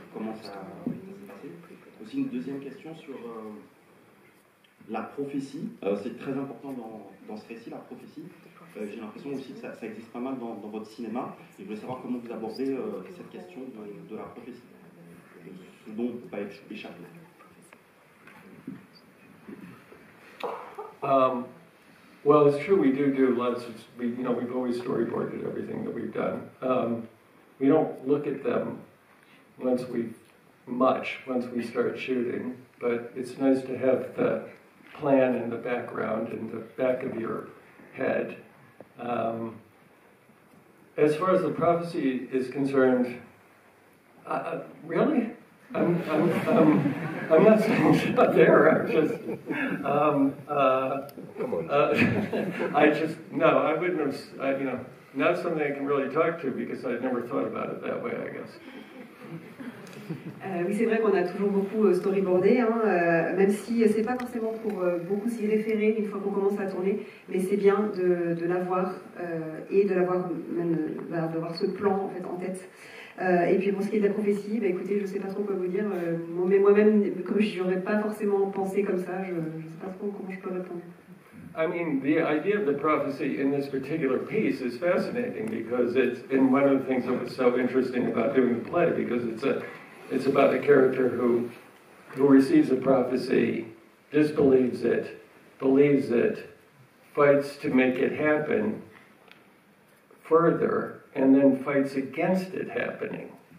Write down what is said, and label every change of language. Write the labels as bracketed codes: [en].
[fr] Comment ça s'est passé? Aussi, une deuxième question sur la prophétie. C'est très important dans ce récit, la prophétie. J'ai l'impression aussi que ça existe pas mal dans votre cinéma. Et je voulais savoir comment vous abordez cette question de la prophétie, ce dont vous ne pouvez pas échapper. [en] Well, it's true, we do lots of, we've always storyboarded everything that we've done. We don't look at them once we start shooting, but it's nice to have the plan in the background, in the back of your head. As far as the prophecy is concerned, I'm not saying shut there. I wouldn't have, not something I can really talk to because I'd never thought about it that way, I guess. [fr] Oui, c'est vrai qu'on a toujours beaucoup storyboardé, hein, même si ce n'est pas forcément pour beaucoup s'y référer une fois qu'on commence à tourner, mais c'est bien de l'avoir et de l'avoir même, bah, d'avoir ce plan en fait, en tête. Et puis pour ce qui est de la prophétie, bah, écoutez, je ne sais pas trop quoi vous dire, mais moi-même, comme je n'aurais pas forcément pensé comme ça, je ne sais pas trop comment je peux répondre. [en] I mean, the idea of the prophecy in this particular piece is fascinating because it's in one of the things that was so interesting about doing the play, because it's about a character who receives a prophecy, believes it, fights to make it happen further, and then fights against it happening.